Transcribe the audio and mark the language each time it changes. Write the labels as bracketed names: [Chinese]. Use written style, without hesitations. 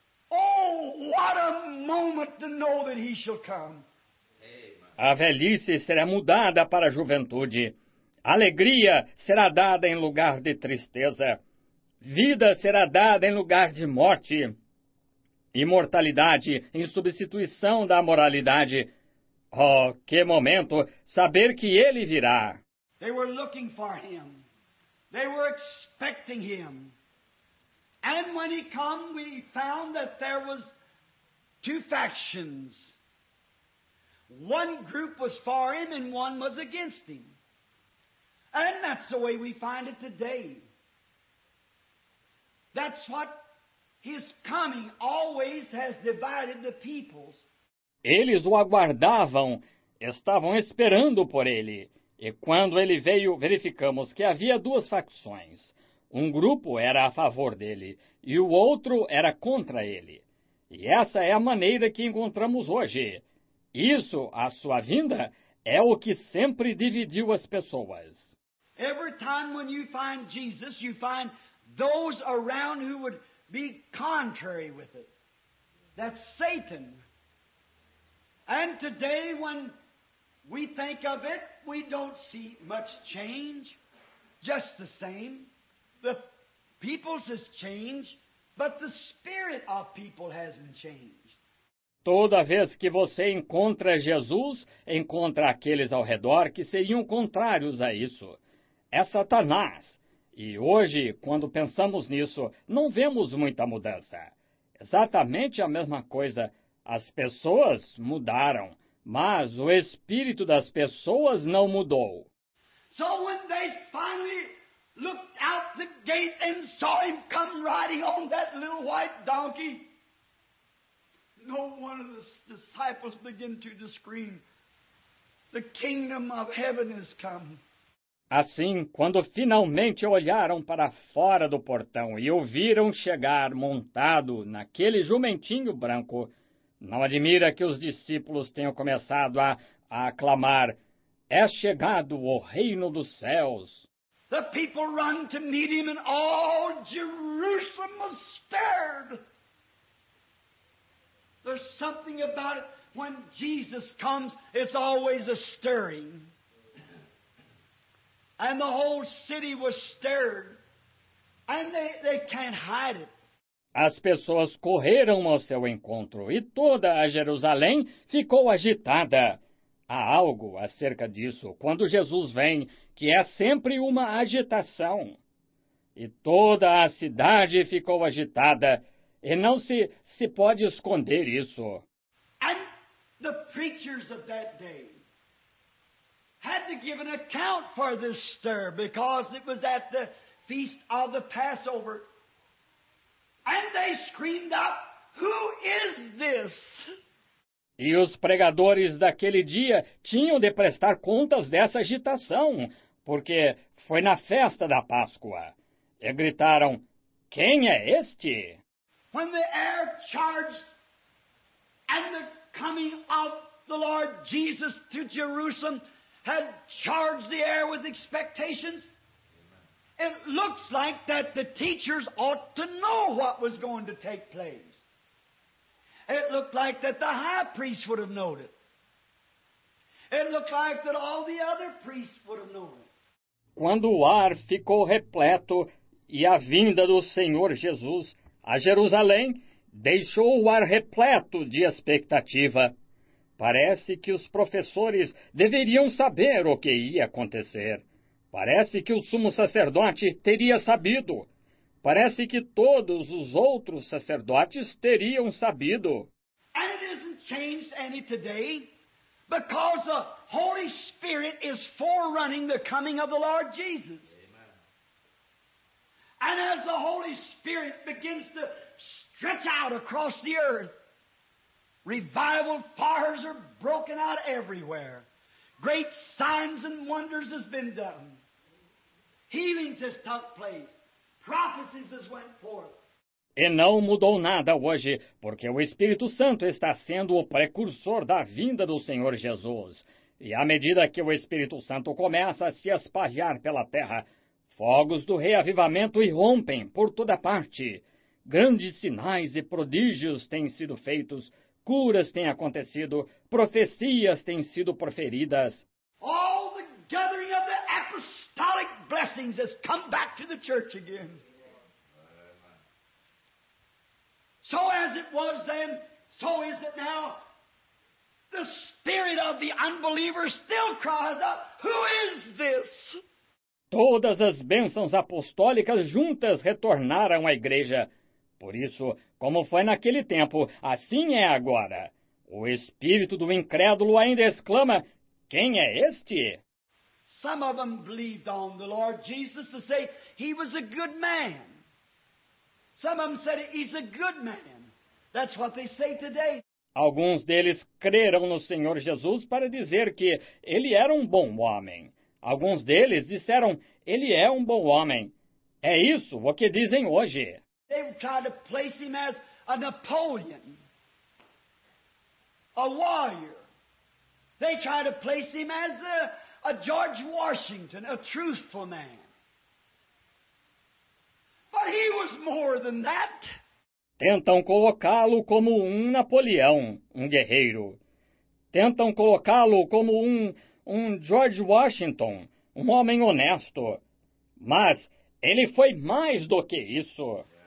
[English] Oh, what a moment to know that he shall come. [Portuguese] A velhice será mudada para a juventude. Alegria será dada em lugar de tristeza. Vida será dada em lugar de morte. Imortalidade em substituição da moralidade. Oh, que momento saber que ele virá. [English] They were looking for him. They were expecting him. And when he came, we found that there was two factions. One group was for him and one was against him. And that's the way we find it today. That's what his coming always has divided the peoples. [Portuguese] Eles o aguardavam, estavam esperando por ele. E quando ele veio, verificamos que havia duas facções. Um grupo era a favor dele e o outro era contra ele. E essa é a maneira que encontramos hoje. Isso, a sua vinda, é o que sempre dividiu as pessoas. [English] Every time when you find Jesus, you find those around who would be contrary with it. That's Satan. And today when we think of it, we don't see much change. Just the same. The people's has changed, but the spirit of people hasn't changed. [Portuguese] Toda vez que você encontra Jesus, encontra aqueles ao redor que seriam contrários a isso. É Satanás. E hoje, quando pensamos nisso, não vemos muita mudança. Exatamente a mesma coisa. As pessoas mudaram, mas o espírito das pessoas não mudou. [English] So when they finally looked out the gate and saw him come riding on that little white donkey, no one of the disciples began to scream, "The kingdom of heaven has come." [Portuguese] Assim, quando finalmente olharam para fora do portão e o viram chegar montado naquele jumentinho branco, não admira que os discípulos tenham começado a aclamar, é chegado o reino dos céus. [English] The people run to meet him and all Jerusalem was stirred. There's something about it, when Jesus comes, it's always a stirring. And the whole city was stirred, and they can't hide it. [Portuguese] As pessoas correram ao seu encontro, e toda a Jerusalém ficou agitada. Há algo acerca disso, quando Jesus vem, que é sempre uma agitação. E toda a cidade ficou agitada, e não se pode esconder isso. [English] And the preachers of that day had to give an account for this stir because it was at the feast of the Passover. And they screamed out, "Who is this?" [Portuguese] E os pregadores daquele dia tinham de prestar contas dessa agitação, porque foi na festa da Páscoa. E gritaram, "Quem é este?" [English] When the air charged and the coming of the Lord Jesus to Jerusalem had charged the air with expectations, it looks like that the teachers ought to know what was going to take place. It looked like that the high priest would have known it. It looked like that all the other priests would have known it. [Portuguese] Quando o ar ficou repleto e a vinda do Senhor Jesus a Jerusalém, deixou o ar repleto de expectativa. Parece que os professores deveriam saber o que ia acontecer. Parece que o sumo sacerdote teria sabido. Parece que todos os outros sacerdotes teriam sabido. [English] And it hasn't changed any today, because the Holy Spirit is forerunning the coming of the Lord Jesus. Amen. And as the Holy Spirit begins to stretch out across the earth, revival fires are broken out everywhere. Great signs and wonders has been done. Healings has took place. Prophecies has went forth. [Portuguese] E não mudou nada hoje, porque o Espírito Santo está sendo o precursor da vinda do Senhor Jesus. E à medida que o Espírito Santo começa a se espalhar pela terra, fogos do reavivamento irrompem por toda parte. Grandes sinais e prodígios têm sido feitos, curas têm acontecido, profecias têm sido proferidas. [English] All the gathering of the apostolic blessings has come back to the church again. So as it was then, so is it now. The spirit of the unbeliever still cries out, "Who is this?" [Portuguese] Todas as bênçãos apostólicas juntas retornaram à igreja. Por isso, como foi naquele tempo, assim é agora. O espírito do incrédulo ainda exclama, "Quem é este?" [English] Some of them believed on the Lord Jesus to say he was a good man. Some of them said he's a good man. That's what they say today. [Portuguese] Alguns deles creram no Senhor Jesus para dizer que ele era um bom homem. Alguns deles disseram, ele é um bom homem. É isso o que dizem hoje. [English] They tried to place him as a Napoleon, a warrior. They tried to place him as a George Washington, a truthful man. But he was more than that. [Portuguese] Tentam colocá-lo como um Napoleão, um guerreiro. Tentam colocá-lo como um George Washington, um homem honesto. Mas ele foi mais do que isso.